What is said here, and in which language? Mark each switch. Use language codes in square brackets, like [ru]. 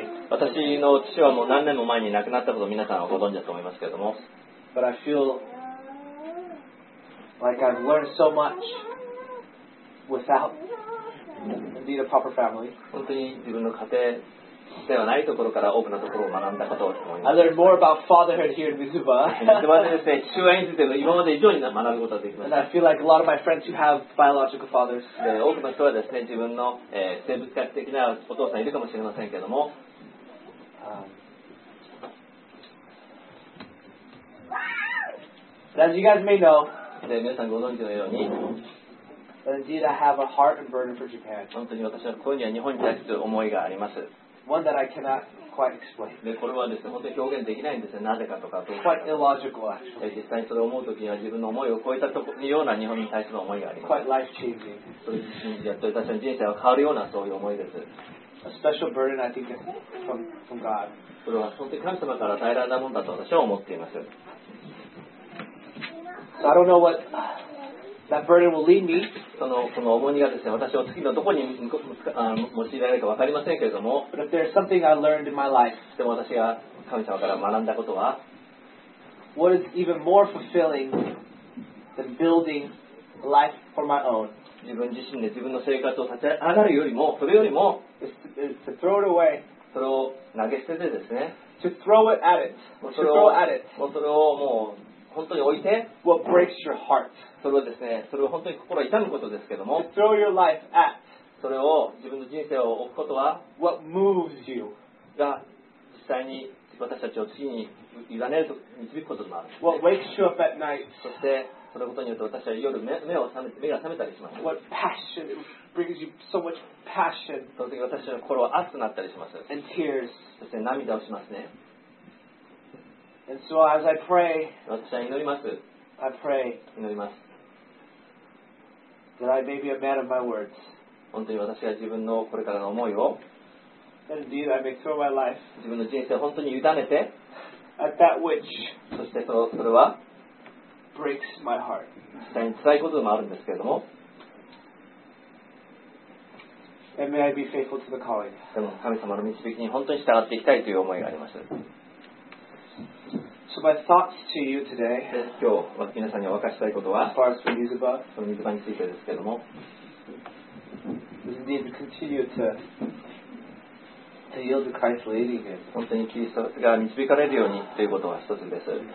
[ja] 私の父はもう何年も前に亡くなったことを皆さんはご存知だと思いますけれども。 [en] But I feel like I've learned so much without being a proper family. [ja] 本当に自分の家庭ではないところから多くのところを学んだことだと思います。 [en] I learned more about fatherhood here in Mizuba. [ja] でもですね、父親についても今まで以上に学ぶことができました。 [en] And I feel like a lot of my friends who have biological fathers. [ja] 多くの人はですね、自分の生物学的なお父さんいるかもしれませんけども。 [en] As you guys may know, [ja] で皆さんご存知のように [en] Indeed, I have a heart and burden for Japan. [ja] 本当に私はここには日本に対する思いがあります。 [en] One that I cannot quite explain. [ja] でこれはですね、本当に表現できないんですね、なぜかとか。 [en] Quite illogical, actually. [ja] 実際にそれを思うときには自分の思いを超えたような日本に対する思いがあります。 [en] Quite life-changing. [ja] それ自身やっと私の人生は変わるようなそういう思いです。 [en] A special burden, I think, from God. [ja] それは本当に神様から与えられたものだと私は思っています。 [en] So I don't know what that burden will lead me. [ja] その重荷がですね、私を次のどこに用いられるか分かりませんけれども。 [en] But if there's something I learned in my life, [ja] でも私が神様から学んだことは、 [en] what is even more fulfilling than building life for my own? [ja] 自分自身で自分の生活を立ち上がるよりも、それよりも、 [en] is to throw it away. [ja] それを投げ捨ててですね。 [en] To throw it at it. [ja] それをもう本当に置いて、 [en] what breaks your heart? [ja] それをですね、それを本当に心を痛むことですけども、 [en] to throw your life at, [ja] それを自分の人生を置くことは、 [en] what moves you? [ja] が実際に私たちを次に委ねると導くこともある。 [en] what wakes you up at night? [ja] そしてそのことによって私は夜 目が覚めたりします。 [en] what passion brings you so much passion? [ja] その時私の心は熱くなったりします。 [en] and tears. [ja] そして涙をしますね。 [en] And so as I pray, [ja] 私は祈ります。 [en] I pray [ja] 祈ります。 [en] That I may be a man of my words. [ja] 本当に私が自分のこれからの思いを、 [en] That indeed I may throw my life [ja] 自分の人生を本当に委ねて、 [en] At that which [ja] そしてそれは、 [en] breaks my heart. [ja] 実際につらいことでもあるんですけれども、 [en] And may I be faithful to the calling. [ja] でも神様の導きに本当に従っていきたいという思いがあります。 [en] So my thoughts to you today. [ja] 今日まず皆さんにお分かしたいことは、 [en] as far as the Mizuba, [ja] その水場についてですけれども、 [en] is indeed to continue to yield to Christ leading him. [ja] 本当にキリストが導かれるようにということは一つです。